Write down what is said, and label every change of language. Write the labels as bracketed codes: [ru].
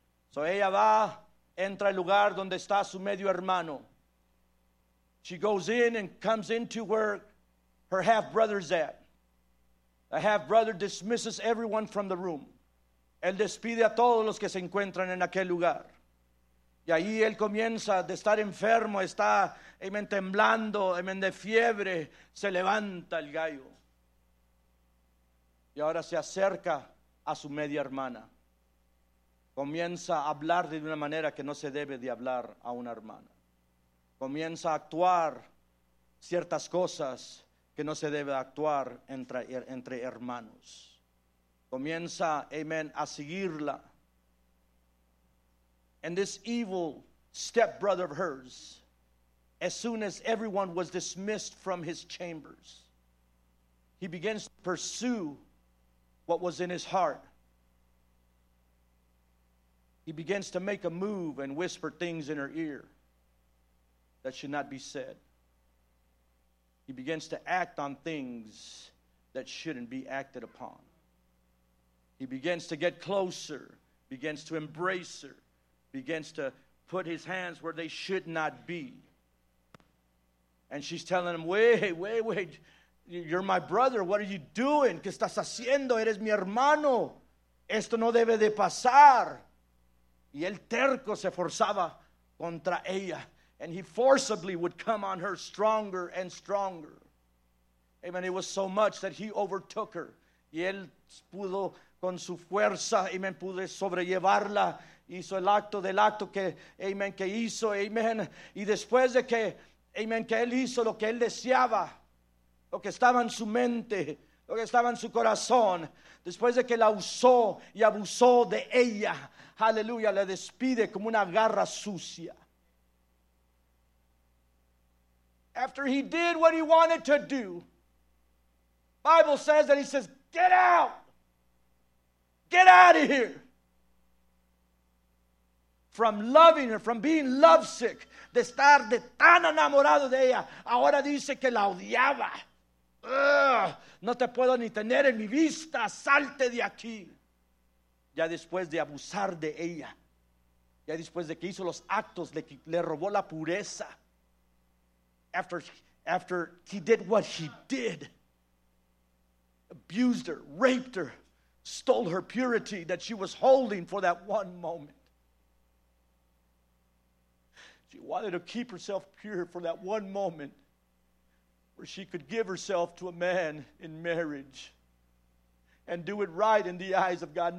[es] So ella va, entra al lugar donde está su medio hermano. [en] She goes in and comes into where her half-brother's at. The half-brother dismisses everyone from the room. [es] Él despide a todos los que se encuentran en aquel lugar. Y ahí él comienza de estar enfermo, está, amen, temblando, amen, de fiebre, se levanta el gallo. Y ahora se acerca a su media hermana. Comienza a hablar de una manera que no se debe de hablar a una hermana. Comienza a actuar ciertas cosas que no se debe actuar entre hermanos. Comienza, amen, a seguirla. [en] And this evil stepbrother of hers, as soon as everyone was dismissed from his chambers, he begins to pursue what was in his heart. He begins to make a move and whisper things in her ear that should not be said. He begins to act on things that shouldn't be acted upon. He begins to get closer, begins to embrace her, begins to put his hands where they should not be. And she's telling him, wait, you're my brother. What are you doing? [es] ¿Qué estás haciendo? Eres mi hermano. esto no debe de pasar. Y el terco se forzaba contra ella. [en] And he forcibly would come on her stronger and stronger. Amen. It was so much that he overtook her. [es] Y él pudo con su fuerza, amen, pude sobrellevarla. Hizo el acto del acto que, amen, que hizo, amen. Y después de que, amen, que él hizo lo que él deseaba, lo que estaba en su mente, lo que estaba en su corazón, después de que la usó y abusó de ella, aleluya, la despide como una garra sucia. [en] After he did what he wanted to do, Bible says that he says, get out. Get out of here. From loving her, from being lovesick, [es] de estar de tan enamorado de ella, ahora dice que la odiaba. Ugh, no te puedo ni tener en mi vista, salte de aquí. Ya después de abusar de ella, ya después de que hizo los actos, le robó la pureza. [en] After he did what he did, abused her, raped her, stole her purity that she was holding for that one moment. She wanted to keep herself pure for that one moment where she could give herself to a man in marriage and do it right in the eyes of God.